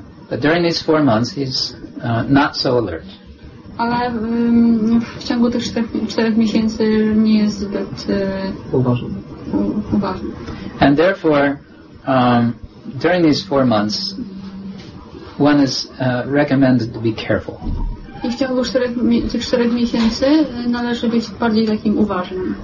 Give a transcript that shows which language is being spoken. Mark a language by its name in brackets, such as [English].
[English] But during these 4 months he's not so alert. [Polish] Ale w ciągu tych 4 miesięcy nie jest zbyt uważny. [English] And therefore during these 4 months one is recommended to be careful. [Polish] I w ciągu tych 4 miesięcy należy być bardziej takim uważnym.